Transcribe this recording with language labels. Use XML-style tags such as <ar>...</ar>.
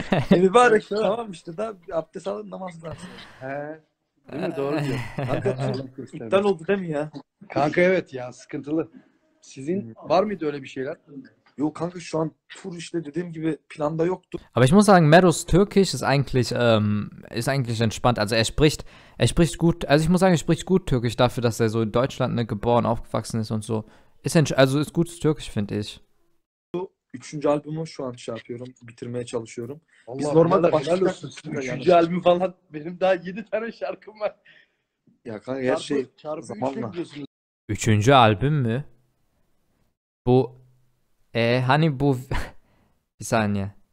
<tr>Mübarek tamam işte daha abdest alın namaz da. He. Değil mi? Doğru diyorsun. İptal oldu değil mi ya? Kanka evet ya sıkıntılı. Sizin var mıydı öyle bir şeyler? Yok kanka şu an tur işte dediğim gibi planda yoktu.</tr> <de>Aber ich muss sagen, Meros Türkisch ist eigentlich entspannt. Also er spricht gut, also ich muss sagen, er spricht gut Türkisch dafür, dass er so in Deutschland ne, geboren, aufgewachsen ist und so. Ist gut Türkisch, finde ich.</de> <tr>Üçüncü albümü şu an şey yapıyorum, bitirmeye çalışıyorum. Vallahi biz normalde başlıyorsunuz. Üçüncü albüm falan, benim daha 7 tane şarkım var. Ya kanka her şey zamanla. Üçüncü albüm mü? Bu... hani bu bir saniye.</tr>